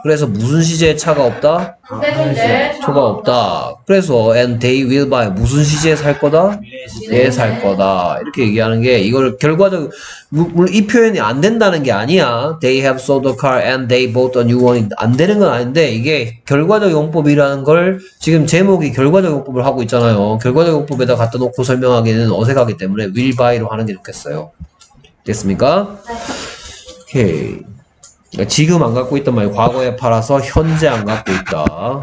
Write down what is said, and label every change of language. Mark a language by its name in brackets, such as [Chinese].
[Korean] 그래서 무슨 시제의 차가 없다? 초가 없다. 그래서 and they will buy 무슨 시제에 살 거다? 예, 살 거다. 이렇게 얘기하는 게 이걸 결과적 물론 이 표현이 안 된다는 게 아니야. [English] They have sold a car and they bought a new one. [Korean] 안 되는 건 아닌데 이게 결과적 용법이라는 걸 지금 제목이 결과적 용법을 하고 있잖아요. 결과적 용법에다 갖다 놓고 설명하기는 어색하기 때문에 will buy로 하는 게 좋겠어요. 됐습니까? 오케이. 지금 안 갖고 있단 말이에요. 과거에 팔아서 현재 안 갖고 있다.